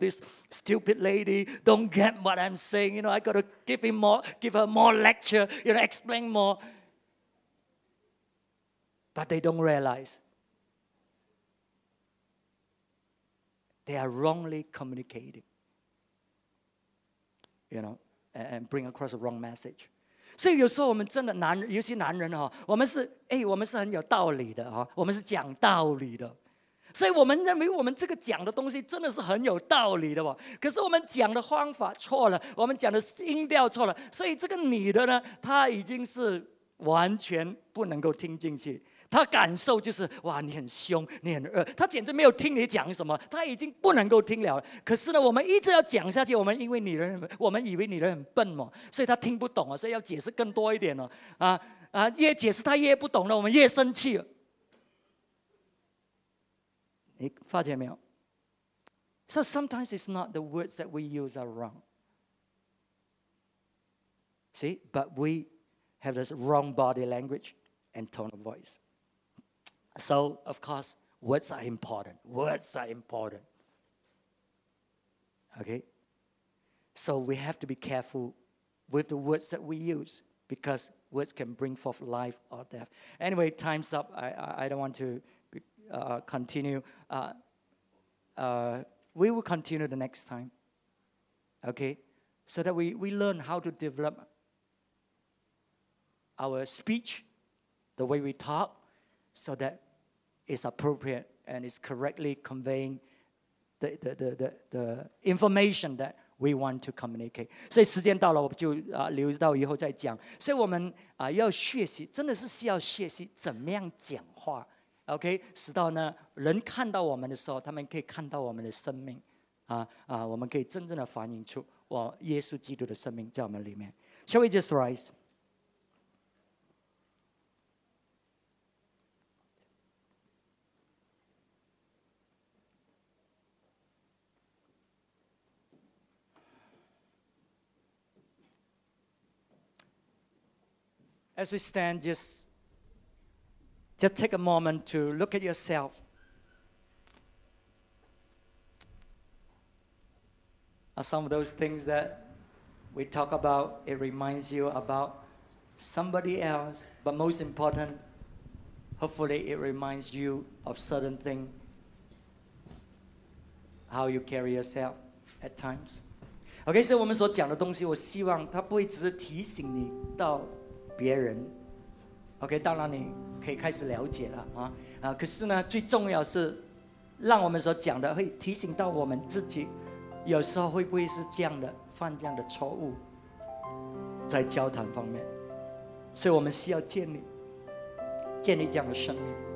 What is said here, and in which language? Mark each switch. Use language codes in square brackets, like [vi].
[en] This stupid lady don't get what I'm saying. You know, I got to give her more lecture, you know, explain more. But they don't realize. They are wrongly communicating, you know, and bring across a wrong message. [zh] 所以有时候我们真的男人，尤其男人哈，我们是很有道理的哈，我们是讲道理的，所以我们认为我们这个讲的东西真的是很有道理的哦。可是我们讲的方法错了，我们讲的音调错了，所以这个女的呢，她已经是完全不能够听进去。他感受就是哇，你很凶，你很恶，他简直没有听你讲什么，他已经不能够听了。可是呢，我们一直要讲下去，我们以为你人很笨嘛，所以他听不懂，所以要解释更多一点了。越解释他越不懂了，我们越生气了。你发觉没有 [en] ？So sometimes it's not the words that we use are wrong. See, but we have this wrong body language and tone of voice. So, of course, words are important. Words are important. Okay? So we have to be careful with the words that we use because words can bring forth life or death. Anyway, time's up. I don't want to continue. We will continue the next time. Okay? So that we learn how to develop our speech, the way we talk, so thatis appropriate and is correctly conveying the information that we want to communicate. [zh] 所以时间到了，我就留到以后再讲。所以我们要学习，真的是需要学习怎么样讲话。 OK， 使到呢人看到我们的时候，他们可以看到我们的生命我们可以真正的反映出我耶稣基督的生命在我们里面。 [en] Shall we just rise? as we stand, just take a moment to look at yourself. Are some of those things that we talk about, it reminds you about somebody else, but most important, hopefully it reminds you of certain things, how you carry yourself at times. [zh] OK, 所以我们所讲的东西, 我希望它不会只是提醒你到别人, OK, 当然你可以开始了解了, 可是呢, 最重要是, 让我们所讲的, 会提醒到我们自己, 有时候会不会是这样的, 犯这样的错误, 在交谈方面, 所以我们需要建立, 建立这样的生命。